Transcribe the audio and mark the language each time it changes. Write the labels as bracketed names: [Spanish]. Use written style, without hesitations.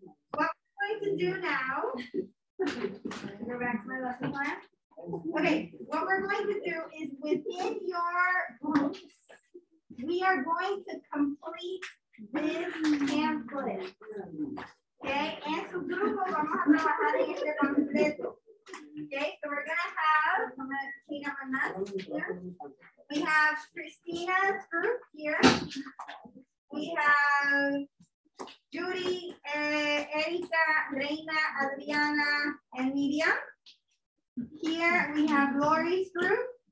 [English] What we're going to do now, go back to my lesson plan. Okay, what we're going to do is within your groups, we are going to complete this pamphlet. [Spanish] Okay, en su grupo vamos a trabajar en este completo. [English] Okay, so we're going to have, I'm going to clean up my mess here. We have Christina's group here. We have Judy, Erika, Reina, Adriana, and Miriam. Here we have Lori's group.